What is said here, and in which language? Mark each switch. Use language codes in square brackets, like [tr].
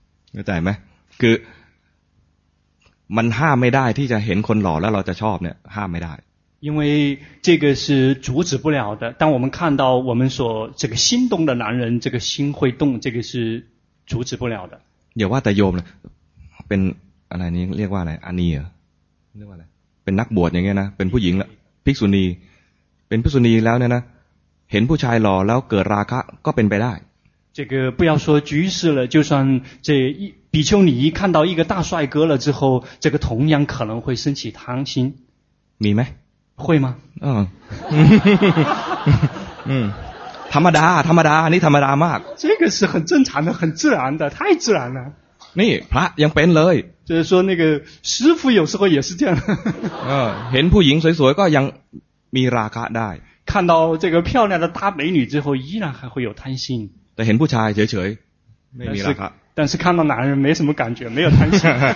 [th] เข้าใจไหมคือมันห้ามไม่ได้ที่จะเห็นคนหล่อแล้วเราจะชอบเนี่ยห้ามไม่ได้ [zh] 因为这个是阻止不了的当我们看到我们所这个心动的男人这个心会动这个是阻止不了的 [th] อย่าว่าแต่โยมเลยเป็นอะไรนี้เรียกว่าอะไรอานีเหรอเรียกว่าอะไรเป็นนักบวชอย่างเงี้ยนะเป็นผู้หญิงแล้วภิกษุณีเป็นภิกษุณีแล้วเนี่ยนะเห็นผู้ชายหล่อแล้วเกิดราคะก็เป็นไปได้ [zh] 这个不要说居士了就算这一比丘尼看到一个大帅哥了之后这个同样可能会升起贪心 [th] มีไหม [zh] 会吗？ [th] 嗯，ธรรมดาธรรมดานี่ธรรมดามาก [zh] 这个是很正常的很自然的太自然了 [th] นี่พระยังเป็นเลย [zh] 就是说那个师父有时候也是这样 [th] เห็นผู้หญิงสวยๆก็ยังมีราคะได้ [zh] 看到这个漂亮的大美女之后依然还会有贪心 [th] แต่เห็นผู้ชายเฉยๆไม่มีราคะ [zh] 但是看到男人没什么感觉没有贪心